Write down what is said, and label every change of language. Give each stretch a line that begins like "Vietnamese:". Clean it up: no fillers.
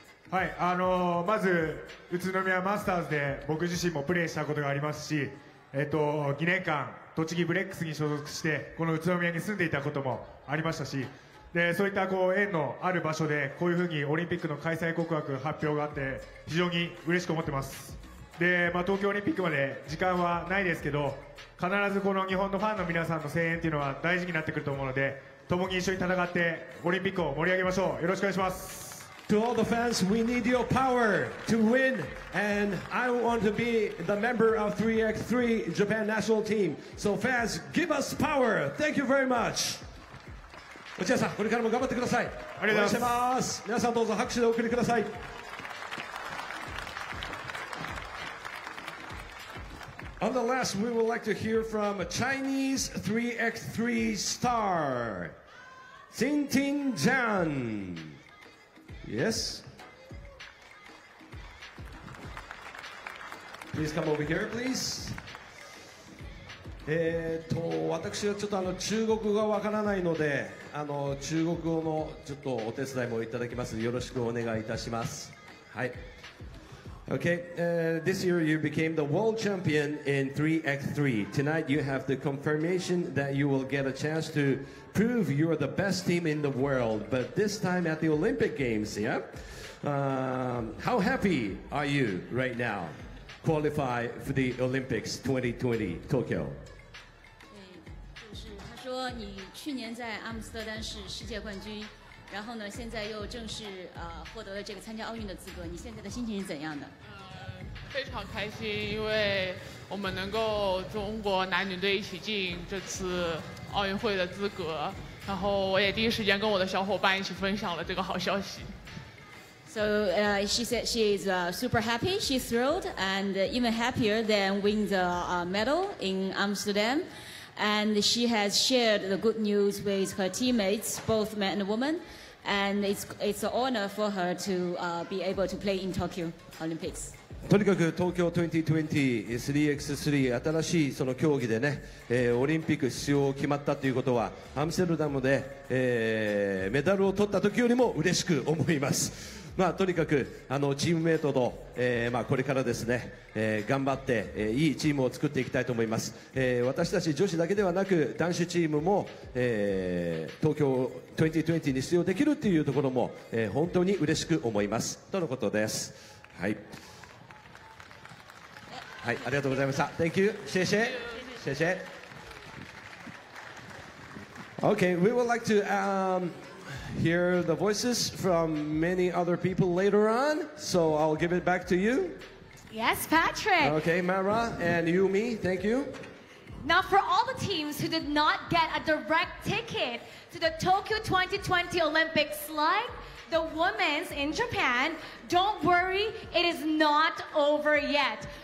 Japanese: はい、まず宇都宮マスターズで僕自身もプレーしたことがありますし、2年間栃木ブレックスに所属してこの宇都宮に住んでいたこともありましたし、でそういったこう縁のある場所でこういうふうにオリンピックの開催告白発表があって非常に嬉しく思ってます。で、まあ、東京オリンピックまで時間はないですけど、必ずこの日本のファンの皆さんの声援というのは大事になってくると思うので、共に一緒に戦ってオリンピックを盛り上げましょう。よろしくお願いします。
English: To all the fans, we need your power to win, and I want to be the member of 3x3 Japan national team. So fans, give us power. Thank you very much.
Japanese: 落合さん、これからも頑張ってください。ありがとうございます。皆さんどうぞ拍手でお送りください。
English: On the last, we would like to hear from a Chinese 3x3 star, Xintin Zhan. Yes? Please come over here, please.
Japanese: 私はちょっと中国語がわからないので、中国語のちょっとお手伝いもいただきます。よろしくお願いいたします。はい。
English: Okay, this year you became the world champion in 3x3. Tonight you have the confirmation that you will get a chance to prove you are the best team in the world, but this time at the Olympic Games, yeah? How happy are you right now? Qualify for the Olympics 2020 Tokyo.
Chinese: 对，就是他说你去年在阿姆斯特丹是世界冠军。然后呢？现在又正式获得了这个参加奥运的资格，你现在的心情是怎样的？非常开心，因为我们能够中国男女队一起进这次奥运会的资格，然后我也第一时间跟我的小伙伴一起分享了这个好消息。
English: So she said she is super happy, she's thrilled, and even happier than win the medal in Amsterdam. And she has shared the good news with her teammates, both men and women. And it's an honor for her to be able to play in Tokyo Olympics.
Japanese: とにかく東京2020 3x3 新しいその競技でね、オリンピック出場を決まったということはアムステルダムで、メダルを取った時よりも嬉しく思います。まあ、とにかくあのチームメイトと、まあ、これからですね、頑張って、いいチームを作っていきたいと思います、私たち女子だけではなく男子チームも、東京2020に出場できるっていうところも、本当に嬉しく思いますとのことです。はい、はい、ありがとうございました。
English: Thank you.
Chinese: シェシェシェシェ。
English: Okay, we would like to hear the voices from many other people later on, so I'll give it back to you. Yes, Patrick. Okay, Mara and Yumi, thank you. Now, for all the teams who did not get a direct ticket to the Tokyo 2020 Olympics, like the women's in Japan, don't worry, it is not over yet.